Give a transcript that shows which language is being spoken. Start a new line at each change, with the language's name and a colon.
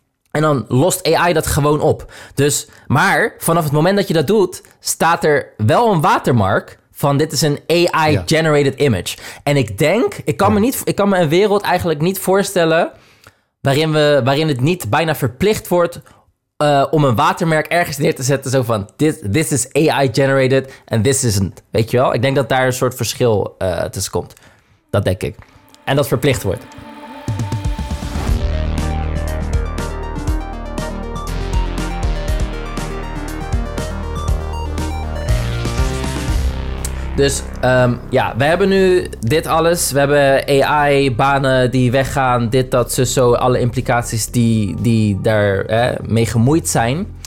Dutch: En dan lost AI dat gewoon op. Dus, maar vanaf het moment dat je dat doet, staat er wel een watermark van dit is een AI-generated image. En ik denk, ik kan me een wereld eigenlijk niet voorstellen waarin het niet bijna verplicht wordt om een watermerk ergens neer te zetten. Zo van,
English: this is AI-generated en this isn't.
Dutch: Weet je wel? Ik denk dat daar een soort verschil tussen komt. Dat denk ik. En dat verplicht wordt. Dus we hebben nu dit alles. We hebben AI, banen die weggaan, dit, dat, zo, alle implicaties die daar mee gemoeid zijn.